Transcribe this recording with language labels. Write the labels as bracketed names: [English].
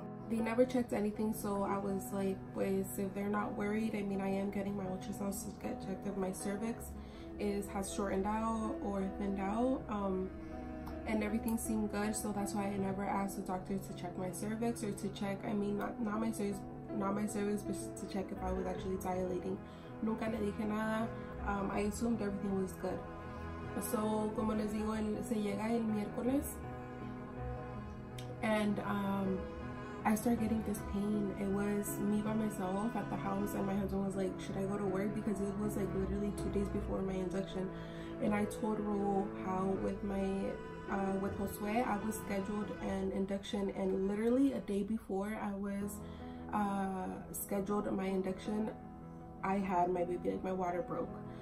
[English] They never checked anything, so I was like, pues, if they're not worried, I mean, I am getting my ultrasound to get checked if my cervix has shortened out or thinned out. And everything seemed good, so that's why I never asked the doctor to check my cervix or to check, I mean, not my cervix, but to check if I was actually dilating. [Spanish] Nunca le dije nada. [English] I assumed everything was good. [Spanish] So, como les digo, se llega el miércoles. [English] And I started getting this pain. It was me by myself at the house, and my husband was like, should I go to work? Because it was like literally 2 days before my induction. And I told Raul how with Josue, I was scheduled an induction, and literally a day before I was scheduled my induction, I had my baby, like my water broke.